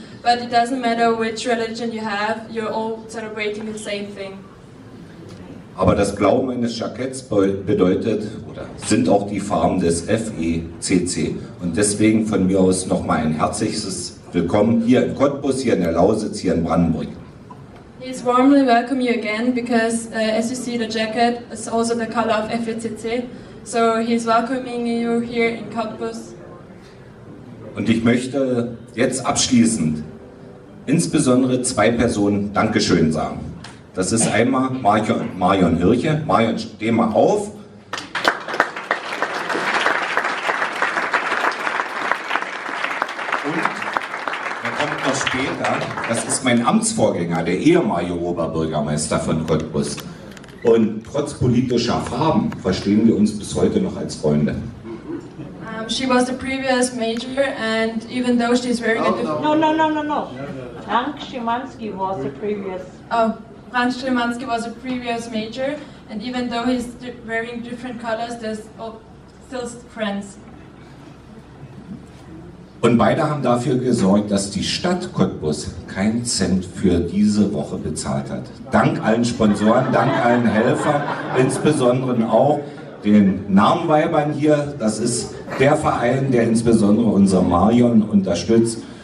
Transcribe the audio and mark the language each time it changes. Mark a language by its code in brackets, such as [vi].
[en] But it doesn't matter which religion you have, you're all celebrating the same thing. [de] Aber das Blau meines Jacketts bedeutet, oder sind auch die Farben des FECC. Und deswegen von mir aus nochmal ein herzliches Willkommen hier in Cottbus, hier in der Lausitz, hier in Brandenburg. [en] He is warmly welcome you again, because as you see the jacket is also the color of FECC. So he is welcoming you here in Cottbus. [de] Und ich möchte jetzt abschließend insbesondere zwei Personen Dankeschön sagen. Das ist einmal Marion Hirche. Marion, steh mal auf. Und er kommt noch später. Das ist mein Amtsvorgänger, der ehemalige Oberbürgermeister von Cottbus. Und trotz politischer Farben verstehen wir uns bis heute noch als Freunde. [en] She was the previous major, and even though she's wearing a different... No. Frank Szymanski was the previous. Oh, Frank Szymanski was a previous major, and even though he's wearing different colors, there's still friends. [de] Und beide haben dafür gesorgt, dass die Stadt Cottbus keinen Cent für diese Woche bezahlt hat. Dank allen Sponsoren, dank allen Helfern, insbesondere auch den Namenweibern hier. Das ist der Verein, der insbesondere unser Marion unterstützt.